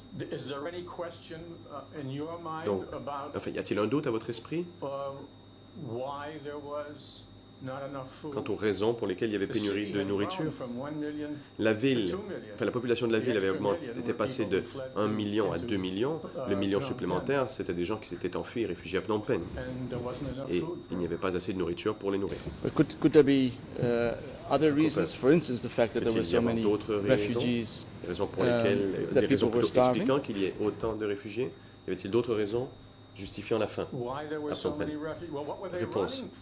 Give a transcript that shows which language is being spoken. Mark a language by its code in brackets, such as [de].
[en] Is there any question in your mind about? [fr] Enfin, y a-t-il un doute à votre esprit? [en] Why there was. [fr] Quant aux raisons pour lesquelles il y avait pénurie de nourriture, la ville, enfin la population de la ville avait était passée de 1 million à 2 millions. Le million supplémentaire, c'était des gens qui s'étaient enfuis, réfugiés à Phnom Penh. Et il n'y avait pas assez de nourriture pour les nourrir. [en] Could there be other reasons, for instance, the fact that there were so many refugees? [fr] Les raisons pour lesquelles, des raisons plutôt expliquant qu'il y ait autant de réfugiés. Y avait-il d'autres raisons justifiant la faim à Phnom Penh? Réponse.